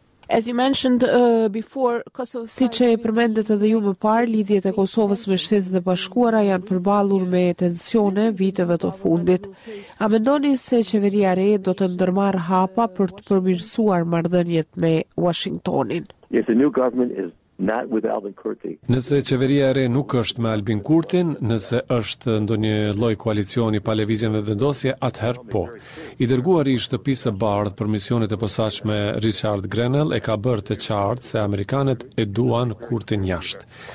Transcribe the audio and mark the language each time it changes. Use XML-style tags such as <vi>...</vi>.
<en>As you mentioned before, Kosovo,</en> <sq>siç e përmendët edhe ju më parë, lidhjet e Kosovës me Shtetet e Bashkuara janë përballur me tensione viteve të fundit. A mendoni se qeveria e re do të ndërmarr hapa për të përmirësuar marrëdhëniet me Washingtonin?</sq> <en>If the new government is not with Albin Kurti.</en> <sq>Nëse qeveria e re nuk është me Albin Kurtin, nëse është ndonjë lloj koalicioni pa lëvizje me vendosje, atëherë po. I dërguari i Shtëpisë së Bardhë për misionet e posaçme Richard Grenell e ka bërë të qartë se amerikanët e duan Kurtin jashtë.</sq>